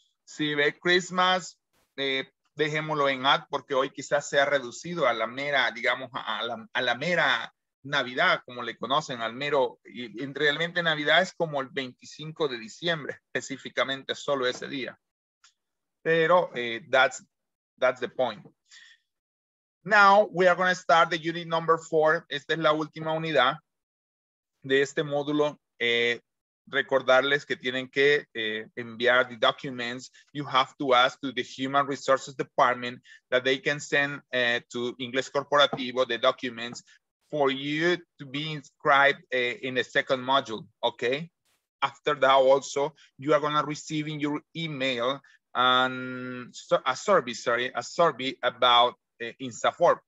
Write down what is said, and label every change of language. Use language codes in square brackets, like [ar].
[es] Si ve Christmas, dejémoslo en at, porque hoy quizás sea reducido a la mera, digamos, a la mera Navidad, como le conocen, al mero, y realmente Navidad es como el 25 de diciembre, específicamente solo ese día. [en] pero that's the point. Now we are going to start the unit number 4. [es] Esta es la última unidad de este módulo. Recordarles que tienen que enviar [en] the documents. You have to ask to the Human Resources Department that they can send to Inglés Corporativo the documents for you to be inscribed in the second module, okay? After that also, you are gonna receive in your email a survey about INSAFOR.